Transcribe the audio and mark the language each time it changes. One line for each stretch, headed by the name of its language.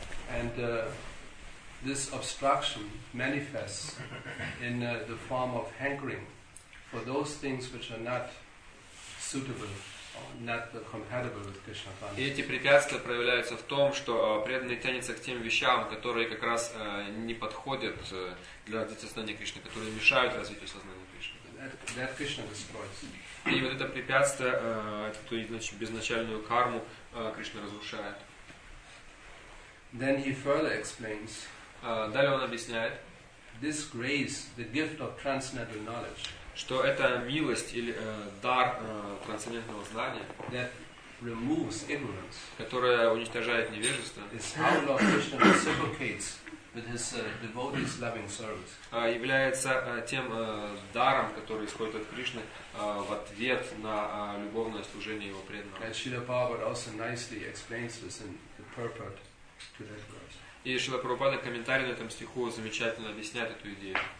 English: And this obstruction manifests in the form of hankering for those things which are not suitable or not compatible with Krishna consciousness.
Russian: И эти препятствия проявляются в том, что преданный тянется к тем вещам, которые как раз не подходят для развития сознания Кришны, которые мешают развитию сознания Кришны.
English: That Krishna destroys.
Russian: И вот это препятствие, эту безначальную карму Кришна разрушает.
English: Then he further explains.
Russian: Далее он объясняет.
English: This grace, the gift of transcendental knowledge.
Russian: Что это милость или дар трансцендентного знания.
English: That removes ignorance.
Russian: Которая уничтожает невежество.
English: Is how Lord Krishna reciprocates with his devotees' loving service.
Russian: Является тем даром, который исходит от Кришны в ответ на любовное служение его преданного.
English: And Srila Prabhupada also nicely explains this in the purport.
Russian: И Шрила Прабхупада комментарий на этом стиху замечательно объясняет эту идею.